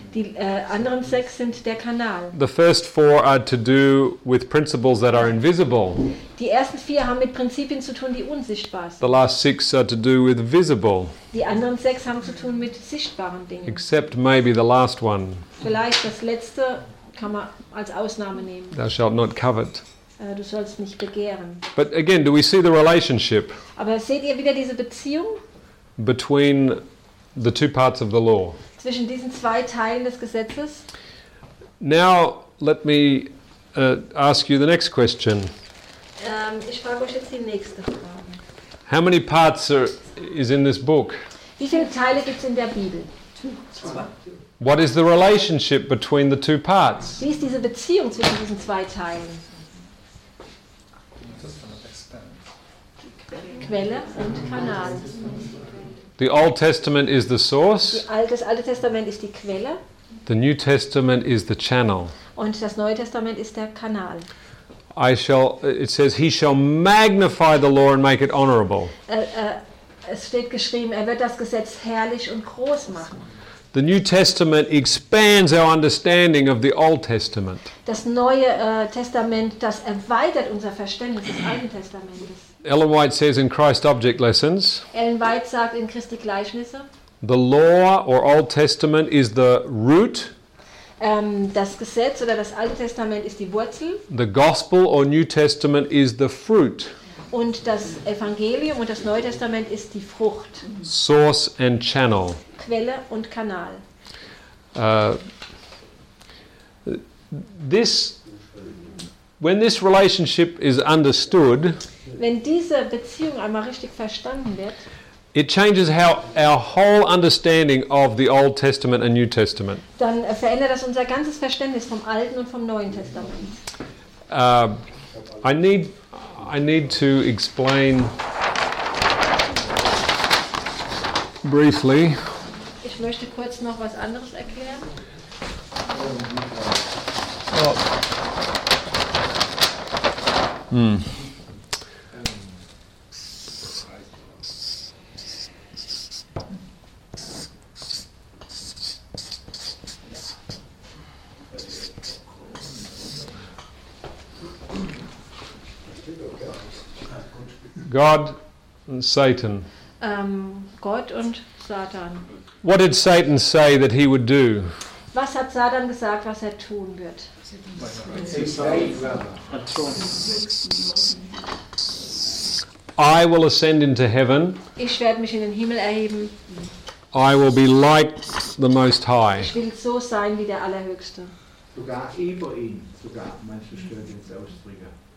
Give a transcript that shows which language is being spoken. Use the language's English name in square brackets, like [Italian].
[German] Die anderen sechs sind der Kanal. [English] The first four are to do with principles that are invisible. [German] Die ersten vier haben mit Prinzipien zu tun, die unsichtbar sind. [English] The last six are to do with visible. [German] Die anderen sechs haben zu tun mit sichtbaren Dingen. [English] Except maybe the last one. [German] Vielleicht das letzte kann man als Ausnahme nehmen. [English] Thou shalt not covet. [German] Du sollst nicht begehren. [English] But again, do we see the relationship? [German] Aber seht ihr wieder diese Beziehung? [English] Between the two parts of the law. [German] Zwischen diesen zwei Teilen des Gesetzes. [English] Now let me ask you the next question. [German] Ich frage euch jetzt die nächste Frage. [English] How many parts is in this book? [German] Wie viele Teile gibt's in der Bibel? Zwei. [English] What is the relationship between the two parts? [German] Wie ist diese Beziehung zwischen diesen zwei Teilen? Quelle und Kanal. [English] The Old Testament is the source. [German] Das Alte Testament ist die Quelle. [English] The New Testament is the channel. [German] Und das Neue Testament ist der Kanal. [English] It says, he shall magnify the law and make it honorable. [German] Es steht geschrieben, er wird das Gesetz herrlich und groß machen. [English] The New Testament expands our understanding of the Old Testament. [German] Das Neue Testament, das erweitert unser Verständnis des Alten Testamentes. [English] Ellen White says in Christ Object Lessons, [German] Ellen White sagt in Christi Gleichnisse, [English] the law or Old Testament is the root, [German] das Gesetz oder das Alte Testament ist die Wurzel, [English] the Gospel or New Testament is the fruit, [German] und das Evangelium und das Neue Testament ist die Frucht, [English] source and channel, [German] Quelle und Kanal. [English] When this relationship is understood, [German] wenn diese Beziehung einmal richtig verstanden wird, [English] it changes how our whole understanding of the Old Testament and New Testament. [German] Dann verändert das unser ganzes Verständnis vom Alten und vom Neuen Testament. [English] I need to explain briefly. [German] Ich möchte kurz noch was anderes erklären. [English] God and Satan. God and Satan. What did Satan say that he would do? [German] Was hat Satan gesagt, was tun wird? [English] I will ascend into heaven. [German] Ich werde mich in den Himmel erheben. [English] I will be like the Most High. [German] Ich will so sein wie der Allerhöchste. Sogar über ihn, sogar manche stören den Ausdrücker.